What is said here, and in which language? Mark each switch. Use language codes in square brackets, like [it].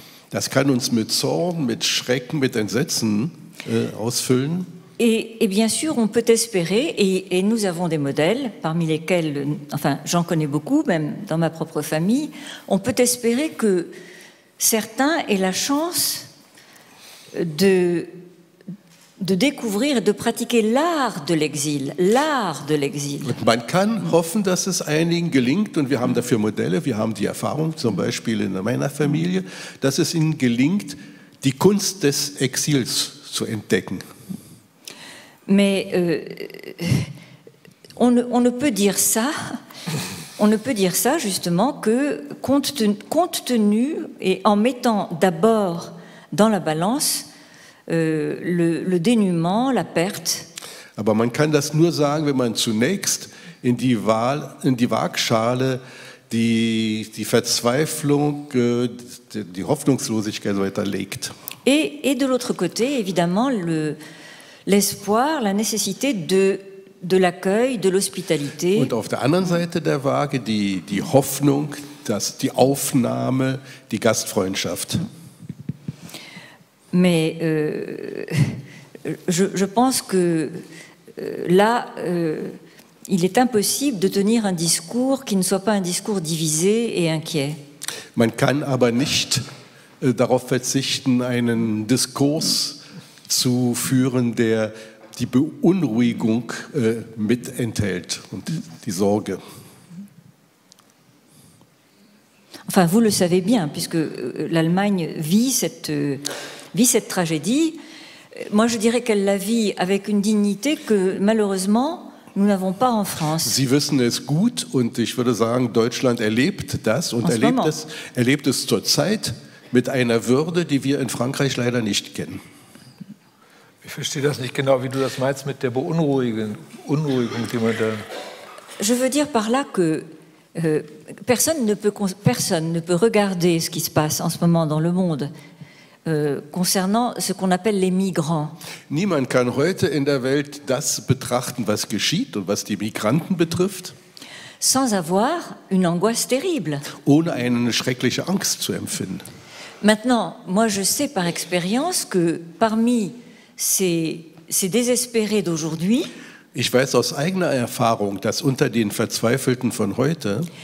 [de] Das kann uns mit Zorn, mit Schrecken, mit Entsetzen ausfüllen. [fr] Et bien sûr, on peut espérer, et nous avons des modèles, parmi lesquels, enfin, j'en connais beaucoup, même dans ma propre famille, on peut espérer que certains aient la chance de découvrir et de pratiquer l'art de l'exil, l'art de l'exil. [de] Und man kann hoffen, dass es einigen gelingt, und wir haben dafür Modelle, wir haben die Erfahrung, zum Beispiel in meiner Familie, dass es ihnen gelingt, die Kunst des Exils zu entdecken. [fr] Mais on ne peut dire ça, on ne peut dire ça justement que compte tenu et en mettant d'abord dans la balance le dénuement, la perte. [de] Aber man kann das nur sagen, wenn man zunächst in die Waagschale die Verzweiflung, die Hoffnungslosigkeit so weiter legt. [fr] Et de l'autre côté, évidemment, l'espoir, la nécessité de l'accueil, de l'hospitalité. [de] Und auf der anderen Seite der Waage die Hoffnung, dass die Aufnahme, die Gastfreundschaft. [fr] Mais je pense que là, il est impossible de tenir un discours qui ne soit pas un discours divisé et inquiet. [de] Man kann aber nicht darauf verzichten, einen Diskurs zu führen, der die Beunruhigung mit enthält und die Sorge. [fr] Enfin, vous le savez bien, puisque l'Allemagne vit cette tragédie. Moi, je dirais qu'elle la vit avec une dignité que malheureusement nous n'avons pas en France. [de] Sie wissen es gut, und ich würde sagen, Deutschland erlebt das und erlebt es zurzeit mit einer Würde, die wir in Frankreich leider nicht kennen. Ich verstehe das nicht genau, wie du das meinst mit der Beunruhigung, die man da. [fr] Je veux dire par là que personne ne peut regarder ce qui se passe en ce moment dans le monde concernant ce qu'on appelle les migrants. [de] Niemand kann heute in der Welt das betrachten, was geschieht und was die Migranten betrifft, [fr] sans avoir une angoisse terrible. [de] Ohne eine schreckliche Angst zu empfinden. [fr] Maintenant, moi je sais par expérience que parmi ces désespérés d'aujourd'hui. [de] Ich weiß aus eigener Erfahrung, dass unter den Verzweifelten von heute